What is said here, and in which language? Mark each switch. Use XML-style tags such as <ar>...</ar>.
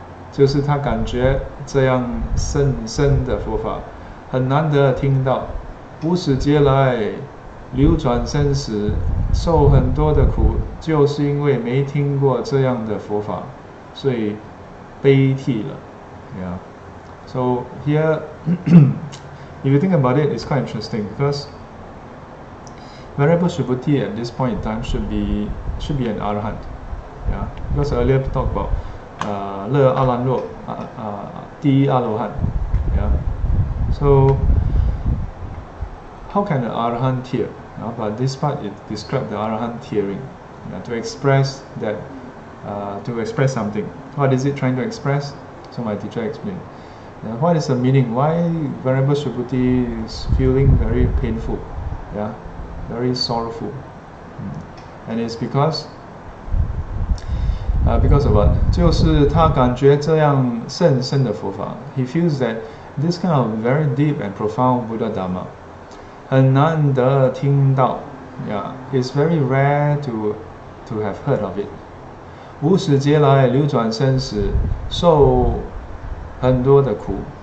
<zh>就是他感觉这样深深的佛法, 很难得听到, 无始劫来, 流转生死, 受很多的苦, 就是因为没听过这样的佛法, 所以悲涕了, yeah.</zh> <en>So here, if you think about it, it's quite interesting, because Venerable Subhuti at this point in time should be an arahant. Yeah, because earlier we talked about Le Alan Lo, Di Alohan. Yeah. So, how can the Arahan tear? Yeah, but this part, it describes the Arahan tearing. Yeah, to express that, to express something. What is it trying to express? So my teacher explained. Yeah, what is the meaning? Why Venerable Subhuti is feeling very painful? Yeah, very sorrowful. And it's because because of what?</en> <zh>就是他感觉这样深深的佛法.</zh> <en>He feels that this kind of very deep and profound Buddha Dharma,</en> <zh>很难得听到.</zh> <en>Yeah, it's very rare to have heard of it.</en> <zh>无始劫来流转生死, 受很多的苦.</zh>